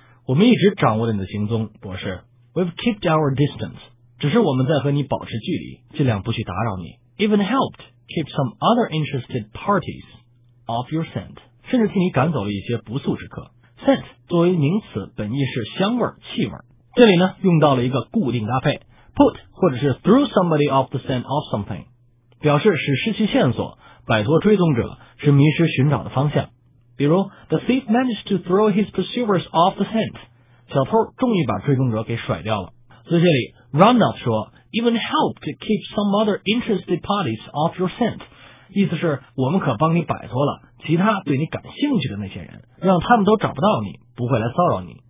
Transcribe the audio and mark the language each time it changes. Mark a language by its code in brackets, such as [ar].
[zh] 我们一直掌握了你的行踪博士。 [en] We've kept our distance. [zh] 只是我们在和你保持距离尽量不去打扰你。 [en] Even helped keep some other interested parties off your scent. [zh] 甚至替你赶走了一些不速之客。Scent 作为名词本意是香味气味。这里呢用到了一个固定搭配。 [en] Put [zh] 或者是 [en] throw somebody off the scent of something。 [zh] 表示使失去线索摆脱追踪者是迷失寻找的方向。比如 [en] ,the thief managed to throw his pursuers off the scent. [zh] 小偷终于把追踪者给甩掉了。所以这里 [en] ,Romanoff 说 ,even helped to keep some other interested parties off your scent. [zh] 意思是我们可帮你摆脱了其他对你感兴趣的那些人让他们都找不到你不会来骚扰你。